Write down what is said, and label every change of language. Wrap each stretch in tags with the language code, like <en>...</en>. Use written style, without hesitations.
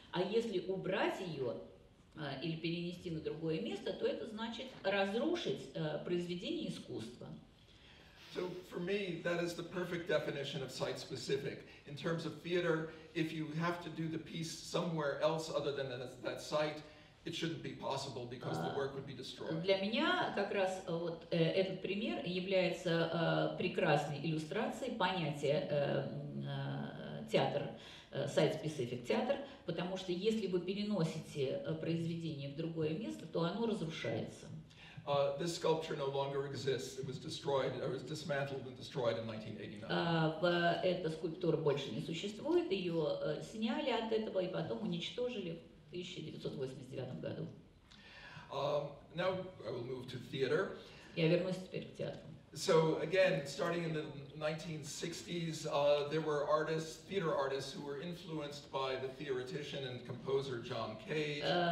<ru>А если убрать ее или перенести на другое место, то это значит разрушить произведение искусства.</ru> <en>So for me, that is the perfect definition of site-specific. In terms of theater, if you have to do the piece somewhere else other than that site, it shouldn't be possible because the work would be destroyed.</en> <ru>Для меня как раз вот этот пример является прекрасной иллюстрацией понятия театр, site-specific театр, потому что если вы переносите произведение в другое место, то оно разрушается.</ru> <en>This sculpture no longer exists. It was destroyed. It was dismantled and destroyed in 1989.</en> <ru>Эта скульптура больше не существует. Ее сняли от этого и потом уничтожили в 1989 году.</ru> <en>Now I will move to theater.</en> <ru>Я вернусь теперь к театру.</ru> <en>So again, starting in the 1960s, there were artists, theater artists, who were influenced by the theoretician and composer John Cage.</en>